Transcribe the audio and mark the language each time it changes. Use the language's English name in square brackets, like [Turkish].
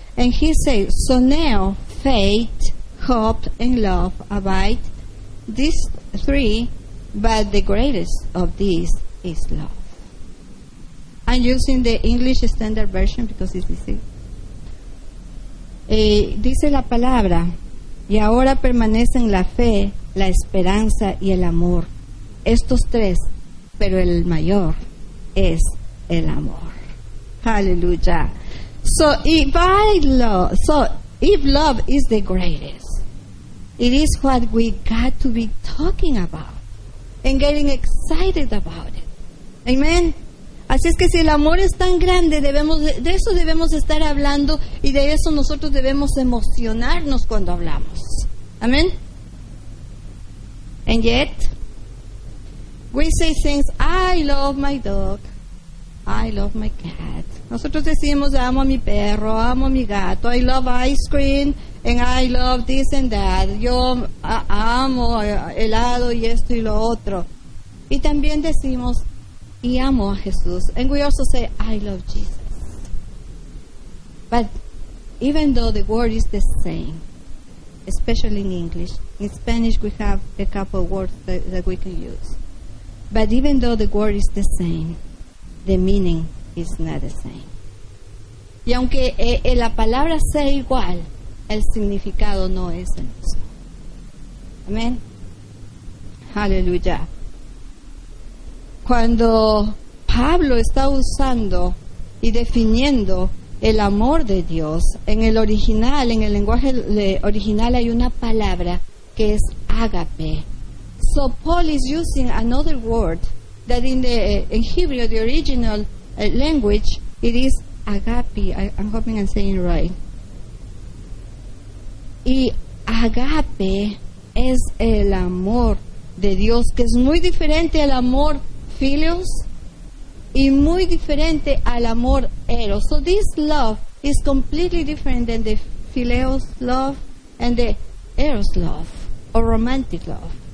[English] And he says, so now faith, hope, and love abide, these three, but the greatest of these is love. I'm using the English Standard Version because it's easy. [Spanish] Dice la palabra, y ahora permanecen la fe, la esperanza y el amor, estos tres, pero el mayor es el amor. Aleluya. [English] So if love is the greatest, it is what we got to be talking about and getting excited about it. Amen. [Spanish] Así es que si el amor es tan grande, debemos estar hablando, y de eso nosotros debemos emocionarnos cuando hablamos. [English] Amen. And yet, we say things, I love my dog, I love my cat. [Spanish] Nosotros decimos, amo a mi perro, amo a mi gato, [English] I love ice cream, and I love this and that. [Spanish] Yo amo helado y esto y lo otro. Y también decimos, y amo a Jesús. [English] And we also say, I love Jesus. But even though the word is the same, especially in English. In Spanish, we have a couple words that we can use. But even though the word is the same, the meaning is not the same. [Spanish] Y aunque la palabra sea igual, el significado no es el mismo. Amén. Aleluya. Cuando Pablo está usando y definiendo el amor de Dios, en el original, en el lenguaje original, hay una palabra que es ágape. [English] So Paul is using another word that in the in Hebrew, the original language, it is agape. I'm hoping I'm saying it right. [Spanish] Y agape es el amor de Dios, que es muy diferente al amor filios y muy diferente al amor eros. [English] So this love is completely different than the phileos love and the eros love or romantic love.